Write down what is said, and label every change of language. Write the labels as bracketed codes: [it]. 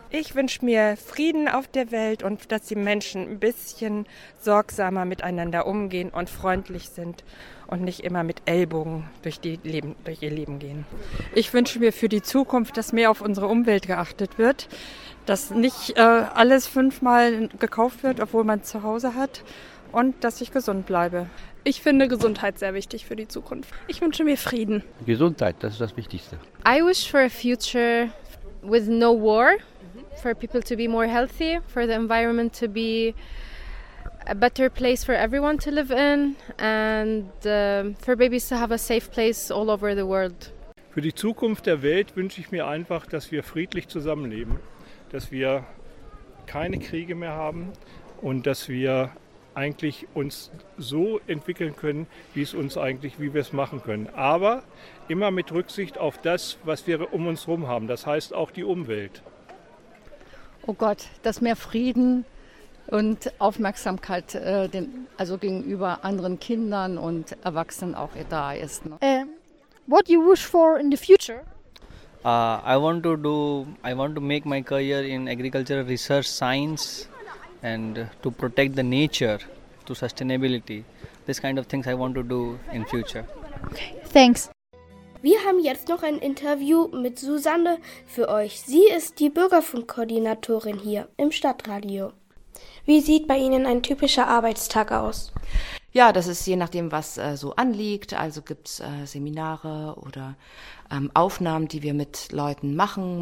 [de] Ich wünsche mir Frieden auf der Welt und dass die Menschen ein bisschen sorgsamer miteinander umgehen und freundlich sind und nicht immer mit Ellbogen durch ihr Leben gehen. Ich wünsche mir für die Zukunft, dass mehr auf unsere Umwelt geachtet wird, dass nicht alles fünfmal gekauft wird, obwohl man es zu Hause hat, und dass ich gesund bleibe. Ich finde Gesundheit sehr wichtig für die Zukunft. Ich wünsche mir Frieden. Gesundheit, das ist das Wichtigste. [en] I wish for a future with no war, for people to be more healthy, for the environment to be a better place for everyone to live in and for babies to have a safe place all over the world. [de] Für die Zukunft der Welt wünsche ich mir einfach, dass wir friedlich zusammenleben, dass wir keine Kriege mehr haben und dass wir eigentlich uns so entwickeln können, wie wir es machen können. Aber immer mit Rücksicht auf das, was wir um uns herum haben, das heißt auch die Umwelt. Oh Gott, dass mehr Frieden und Aufmerksamkeit also gegenüber anderen Kindern und Erwachsenen auch da ist. [en] Ne? What you wish for in the future? I want to make my career in agricultural research science. And to protect the nature, to sustainability, this kind of things I want to do in future. Okay, thanks. [de] Wir haben jetzt noch ein Interview mit Susanne für euch. Sie ist die Bürgerfunkkoordinatorin hier im Stadtradio. Wie sieht bei Ihnen ein typischer Arbeitstag aus? Ja, das ist je nachdem, was so anliegt. Also gibt es Seminare oder Aufnahmen, die wir mit Leuten machen.